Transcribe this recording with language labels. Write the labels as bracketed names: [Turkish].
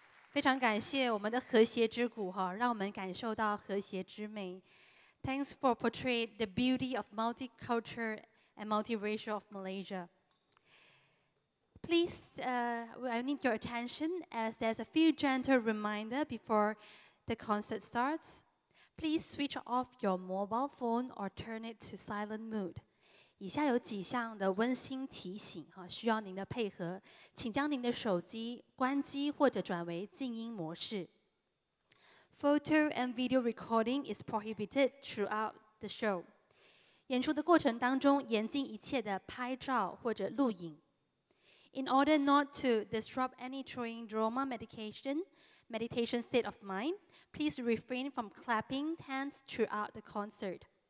[Chinese] 非常感谢我们的和谐之鼓，让我们感受到和谐之美. [English] Thanks for portraying the beauty of multicultural and multiracial of Malaysia. Please, I need your attention as there's a few gentle reminders before the concert starts. Please switch off your mobile phone or turn it to silent mode. [Chinese] 以下有几项的温馨提醒，需要您的配合，请将您的手机关机或者转为静音模式. [English] Photo and video recording is prohibited throughout the show. [Chinese] 演出的过程当中，严禁一切的拍照或者录影. [English] In order not to disrupt any Choying Drolma meditation state of mind, please refrain from clapping hands throughout the concert.